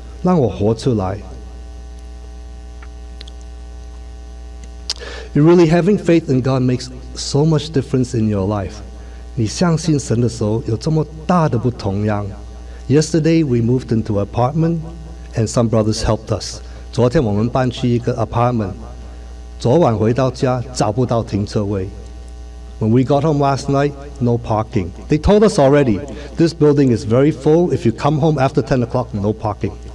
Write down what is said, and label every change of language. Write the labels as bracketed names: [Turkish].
[Chinese] 让我活出来。 [English] Really, having faith in God makes so much difference in your life. [Chinese] 你相信神的时候，有这么大的不同样。 [English] Yesterday we moved into an apartment and some brothers helped us. [Chinese] 昨天我们搬去一个 apartment. 昨晚回到家找不到停车位. [English] When we got home last night, no parking. They told us already, this building is very full. If you come home after 10 o'clock, no parking.